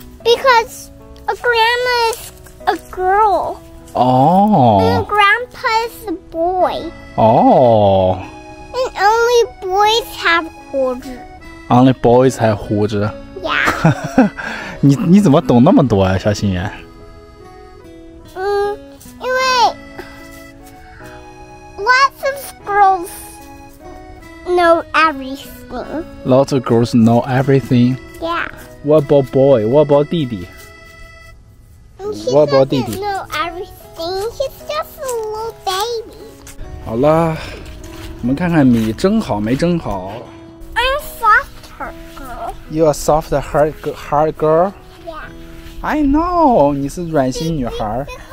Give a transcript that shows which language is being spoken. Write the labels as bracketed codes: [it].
[en] Because a grandma is a girl. Oh. And a grandpa is a boy. Oh. And only boys have 胡子。 Only boys have 胡子。 Yeah. [zh] 你怎么懂那么多啊，小心眼？ [en] 因为 lots of girls know everything. Lots of girls know everything. Yeah. What about boy? What about 弟弟？ What about 弟弟？ Know everything. He's just a little baby. [zh] 好了，我们看看你蒸好没蒸好。 [en] I'm softer girl. You are softer hard girl. I know, [zh] 你是软心女孩。